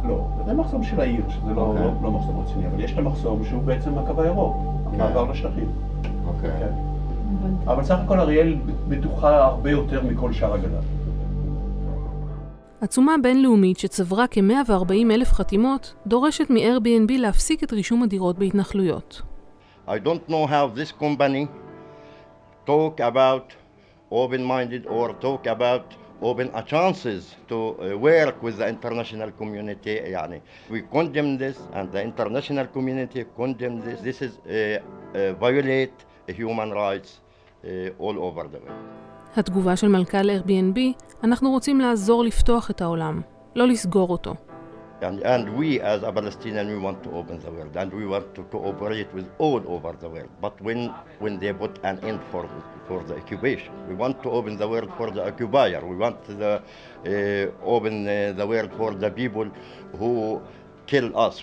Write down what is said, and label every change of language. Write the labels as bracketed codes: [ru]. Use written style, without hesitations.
[he] לא, זה מחסום של העיר, שזה לא מחסום רציני, אבל יש את המחסום שהוא בעצם הקו הירוק, המעבר לשלחים. אבל סך הכל אריאל בטוחה הרבה יותר מכל שאר הגדה. עצומה בינלאומית שצברה כ-140 אלף חתימות דורשת מ-Airbnb להפסיק את רישום הדירות בהתנחלויות. [en] I don't know how this company talk about open-minded or talk about open chances to work with the international community. [ar] يعني [en] we condemn this and the international community condemn this. This is violate human rights all over the world. [he] התגובה של מלכ"ל Airbnb, אנחנו רוצים לעזור לפתוח את העולם, לא לסגור אותו. [en] And we as a Palestinian we want to open the world and we want to cooperate with all over the world. But when they put an end for the occupation, we want to open the world for the occupier. We want to open the world for the people who kill us.